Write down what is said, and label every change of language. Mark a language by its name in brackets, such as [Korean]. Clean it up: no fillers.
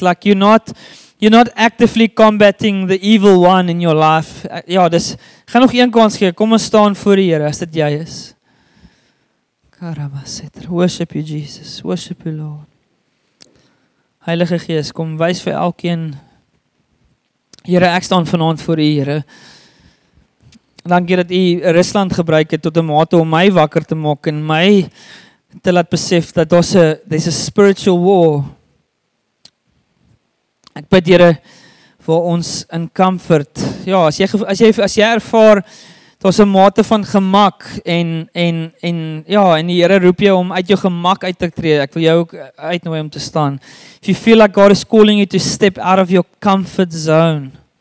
[English] Like you're not actively combating the evil one in your life. [Afrikaans] Ja, dis gaan nog een kans gee. Kom ons staan voor die Here as dit jy is. [English] Worship you, Jesus. Worship you, Lord. [Afrikaans] Heilige Gees, kom wys vir elkeen. Here, ek staan vanaand voor U, Here. Dankie dat U Rusland gebruik het tot 'n mate om my wakker te maak en my te laat besef dat daar's 'n [English] spiritual war. [Afrikaans] Ek bid, Here, vir ons in comfort. Ja, as jy ervaar daar's 'n mate van gemak en ja, en die Here roep jou om uit jou gemak uit te tree. Ek wil jou ook uitnooi om te staan. [English] If you feel like God is calling you to step out of your comfort zone.